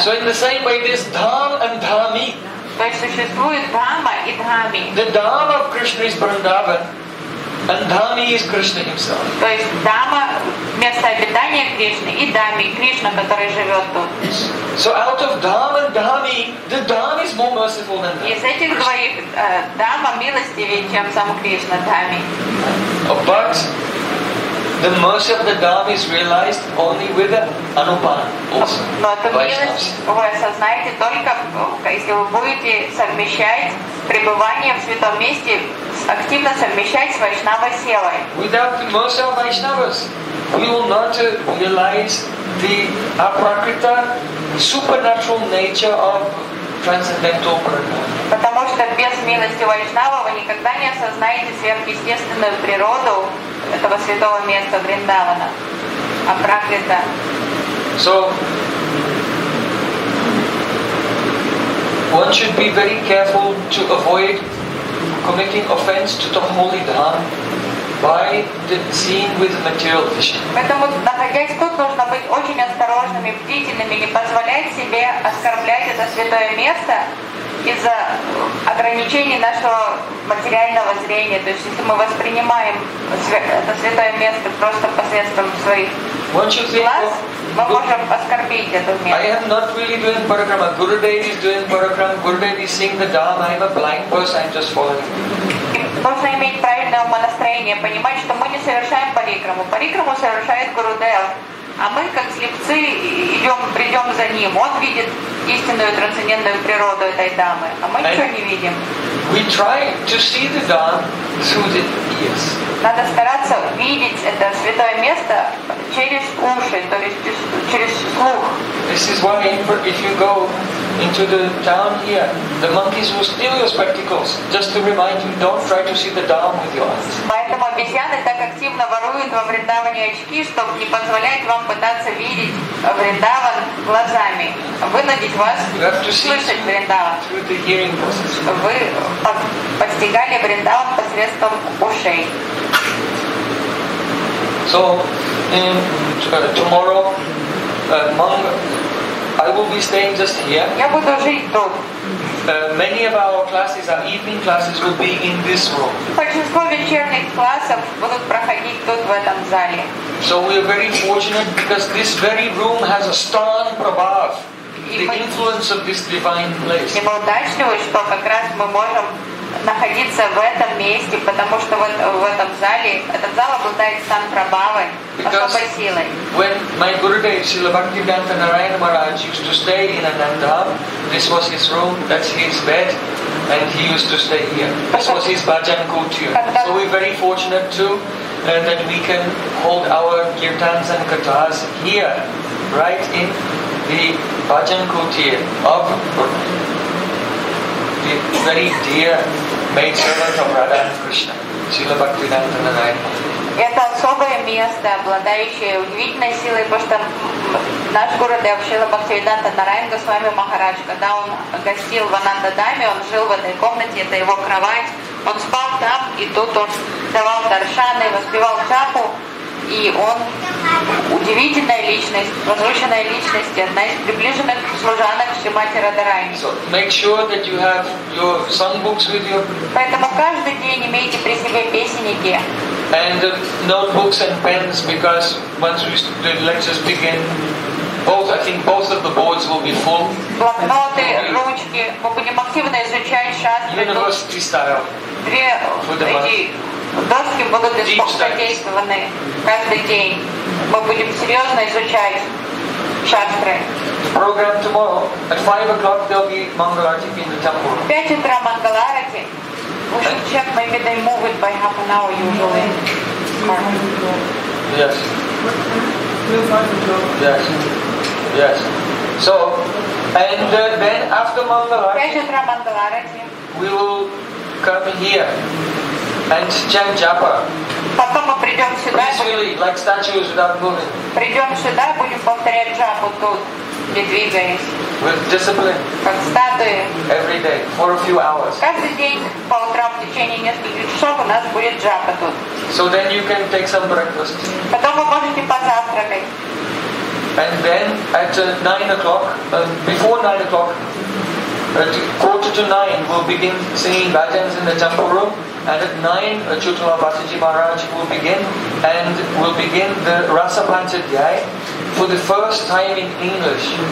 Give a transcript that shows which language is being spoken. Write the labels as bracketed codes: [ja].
[en] So in the same way, there's Dham and Dhami. [ru] То есть существует Дхама и Дхами. [en] The Dham of Krishna is Vrindavan, and Dhami is Krishna Himself. [ru] То есть Дхама – место обитания Кришны, и Дхами – Кришна, который живет тут. [en] So out of Dham and Dhami, the Dham is more merciful than Dhami. [ru] Из этих двоих Дхама милостивее, чем сам Кришна, Дхами. [en] But the mercy of the Dham is realized only with the Anupan also. [ru] Но эту милость вы осознаете только, если вы будете совмещать пребывание в святом месте, активно совмещать с Вайшнавой Севой. [en] Without the mercy of Vaishnavas, we will not realize the Aprakrita, supernatural nature of transcendental Purna. [ru] Потому что без милости Вайшнава вы никогда не осознаете сверхъестественную природу этого святого места Вриндавана, Апракрита. [en] So, one should be very careful to avoid committing offense to the holy Dham by the seeing with material vision. [ru] Поэтому, находясь тут, нужно быть очень осторожными, бдительными, не позволять себе оскорблять это святое место из-за ограничений нашего материального зрения. То есть, если мы воспринимаем это святое место просто посредством своих глаз, мы можем оскорбить это место. [en] I am not really doing parakrama. Gurudev is doing parakrama. Gurudev is seeing the Dham. I am a blind person. I'm just following. [ru] Нужно иметь правильное умонастроение, понимать, что мы не совершаем парикраму. Парикраму совершает Гурудев. А мы, как слепцы, придем за ним. Он видит истинную трансцендентную природу этой дамы. А мы ничего не видим. [en] We try to see the Dham through the ears. [ru] Надо стараться видеть это святое место через уши, то есть через слух. [en] This is why if you go into the town here, the monkeys will steal your spectacles. Just to remind you, don't try to see the Dharma with your eyes. [ru] Поэтому обезьяны так активно воруют во Вриндаване очки, чтобы не позволять вам пытаться видеть Вриндаван глазами. Вынудить вас слышать Вриндаван. Вы постигали Вриндаван посредством ушей. [en] So, in tomorrow, among, I will be staying just here. [ru] Я буду жить тут. [en] Many of our classes, our evening classes, will be in this room. [ru] Большинство вечерних классов будут проходить тут в этом зале. [en] So we are very fortunate because this very room has a strong prabhav, the influence of this divine place. [ru] И мы удачливы, что как раз мы можем находиться в этом месте, потому что вот в этом зале, этот зал обладает сам прабавой, особой силой. [en] When my Gurudev Srila Bhaktivedanta Narayana Maharaj used to stay in Ananda, this was his room, that's his bed, and he used to stay here. This was his bhajan kutya. So we're very fortunate too that we can hold our kirtans and katas here, right in the bhajan kutya of the very dear maid servant of Radha and Krishna, Srila Bhaktivedanta Narayana. [ru] Это особое место, обладающее удивительной силой, потому что наш Гурудев Шрила Бхактивиданта Нараян Госвами Махарадж, когда он гостил в Анандадаме, он жил в этой комнате, это его кровать, он спал там, и тут он давал даршаны, воспевал джапу, и он удивительная личность, возвышенная личность, одна из приближенных служанок Шримати Радарани. [en] So make sure that you have your song books with you. [ru] Поэтому каждый день имейте при себе песенники. [en] And notebooks and pens, because once we the lectures begin, both I think both of the boards will be full. [ru] Блокноты, ручки, мы будем активно изучать шастры. [en] University style. [ru] Две эти доски будут задействованы каждый день. Мы будем серьезно изучать шастры. [en] Program tomorrow at 5 o'clock there'll be Mangalarati in the temple. [ru] 5 утра Мангаларати. [en] We should check, maybe they move it by half an hour usually. Yes. Yes. Yes. So, and then after Mangalarati, we will come here and chant japa. [ru] Потом мы придем сюда. [en] Basically, like statues without moving. [ru] Придем сюда, будем повторять джапу тут, не двигаясь. [en] With discipline. [ru] Как статуи. [en] Every day, for a few hours. [ru] Каждый день по утрам в течение нескольких часов у нас будет джапа тут. [en] So then you can take some breakfast. [ru] Потом вы можете позавтракать. [en] And then at 9 o'clock, before 9 o'clock, at 8:45 we'll begin singing bhajans in the temple room. And at 9, Chutala Bhattaji Maharaj will begin, and will begin the Rasa Panchadhyay for the first time in English.